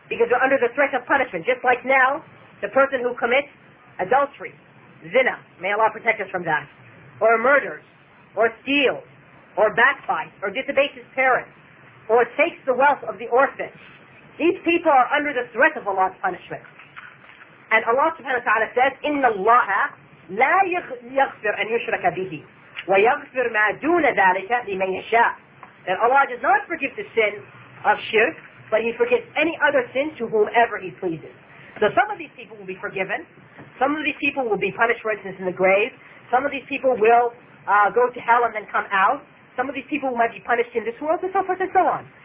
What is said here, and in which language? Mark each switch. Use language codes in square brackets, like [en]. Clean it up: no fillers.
[en] Because they're under the threat of punishment. Just like now, the person who commits adultery, zina, may Allah protect us from that, or murders, or steals, or backbites, or disobeys his parents, or takes the wealth of the orphan. These people are under the threat of Allah's punishment. And Allah subhanahu wa ta'ala says, [ar] إِنَّ اللَّهَ لَا يَغْفِرْ أَنْ يُشْرَكَ بِهِ وَيَغْفِرْ مَا دُونَ ذَلِكَ لِمَنْ يَشَاءُ. [en] That Allah does not forgive the sin of shirk, but He forgives any other sin to whomever He pleases. So some of these people will be forgiven. Some of these people will be punished, for instance, in the grave. Some of these people will go to hell and then come out. Some of these people might be punished in this world, and so forth and so on.